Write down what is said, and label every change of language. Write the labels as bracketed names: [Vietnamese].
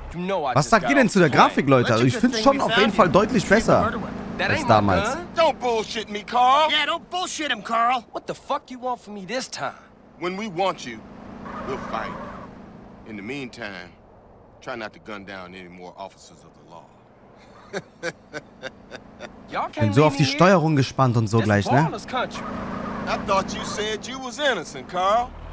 [German] Was sagt ihr denn zu der Grafik, Leute? Also ich finde es schon auf jeden Fall deutlich besser als damals. [English] Don't bullshit me, Carl. Yeah, don't bullshit him, Carl. What the fuck you want from me this time? When we want you, we'll fight. In the meantime, try not to gun down any more officers of the law. [German] Bin so auf die Steuerung gespannt und so gleich, ne? [English] I thought you said you was innocent, Carl.